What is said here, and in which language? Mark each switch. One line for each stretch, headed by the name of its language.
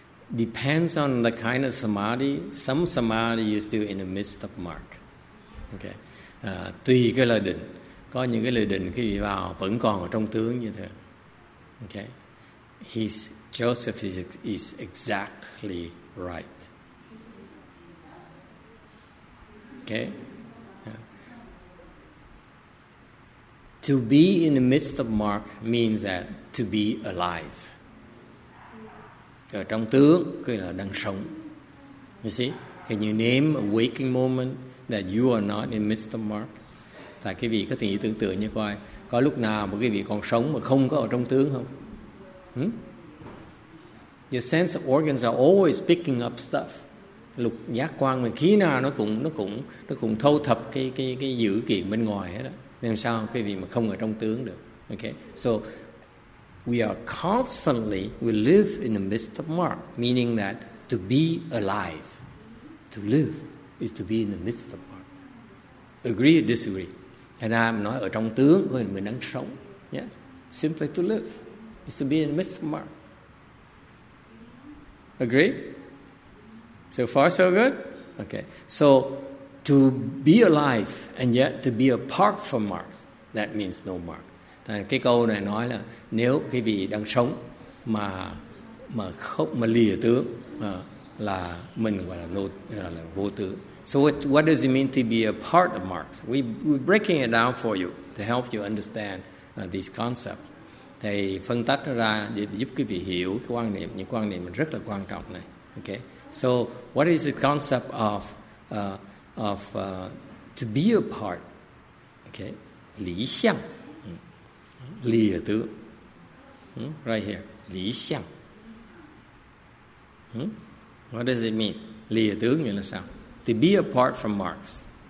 English: Depends on the kind of samadhi. Some samadhi is still in the midst of mark. Okay.
Vietnamese: tùy cái lời định. Có những cái lời định khi bị vào vẫn còn ở trong tướng như thế.
English: Okay. His Joseph is exactly right. Okay. To be in the midst of Mark means that to be alive.
Vietnamese: Ở trong tướng cái là đang sống.
English: You see? Can you name a waking moment that you are not in the midst of Mark?
Vietnamese: Tại quý vị có thể tưởng tượng như coi có lúc nào mà quý vị còn sống mà không có ở trong tướng không?
English: Your sense organs are always picking up stuff.
Vietnamese: Lục giác quan mà khi nào nó cũng thâu thập cái dữ kiện bên ngoài hết đó. Nên sao quý vị mà không ở trong tướng được?
English: Okay. So we live in the midst of Mark, meaning that to be alive, to live is to be in the midst of Mark. Agree or disagree? And I'm
Vietnamese: nói ở trong tướng thôi, mình đang sống.
English: Yes. Simply to live is to be in the midst of Mark. Agree? So far so good? Okay. So to be alive and yet to be apart from Mark, that means no Mark.
Vietnamese: Thì cái câu này nói là nếu quý vị đang sống mà không mà lìa tướng là mình gọi là vô tướng.
English: So what does it mean to be a part of Mark? We're breaking it down for you to help you understand these concepts.
Vietnamese: Thầy phân tách nó ra để giúp quý vị hiểu cái quan niệm, những quan niệm rất là quan trọng này.
English: Okay. So what is the concept of to be a part? Okay. Lý xiang. Lìa tướng. Right here. Lý xiang. What does it mean?
Vietnamese: Lìa tướng nghĩa là sao?
English: To be apart from Marx.